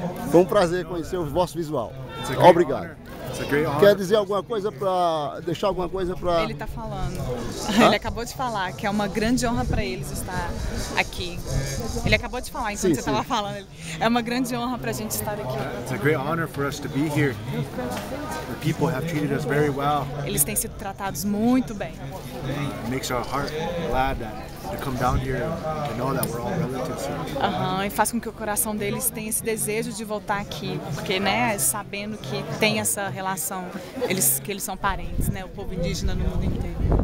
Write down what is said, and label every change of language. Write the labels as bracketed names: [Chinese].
[Portuguese] Foi um prazer conhecer o vosso visual. Obrigado. Quer dizer alguma coisa para... deixar alguma coisa para... Ele está falando. Hã? Ele acabou de falar que é uma grande honra para eles estar aqui. Ele acabou de falar enquanto você estava falando. É uma grande honra para a gente estar aqui. [English] It's a great honor for us to be here. The people have treated us very well. [Portuguese] Eles têm sido tratados muito bem. [English] It makes our heart glad that... to come down here to know that we're all relatives. [Portuguese] E faz com que o coração deles tenha esse desejo de voltar aqui, porque, né, sabendo que tem essa relação, eles, que eles são parentes, né, o povo indígena no mundo inteiro.